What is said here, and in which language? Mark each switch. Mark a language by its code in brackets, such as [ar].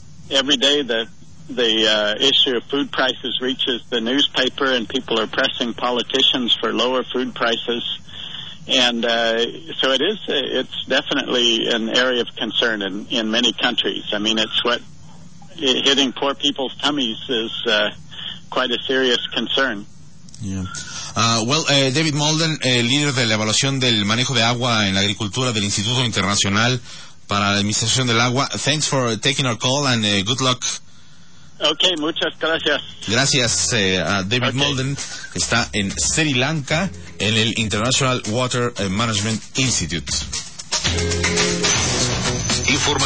[en] Every day the issue of food prices reaches the newspaper, and people are pressing politicians for lower food prices. And so it's definitely an area of concern in many countries. I mean, it's what hitting poor people's tummies is quite a serious concern. Yeah. [es] David Molden, líder de la evaluación del manejo de agua en la agricultura del Instituto Internacional para la Administración del Agua. [en] Thanks for taking our call and good luck. [es] Okay, muchas gracias. Gracias a David Molden, que está en Sri Lanka en el International Water Management Institute. Información.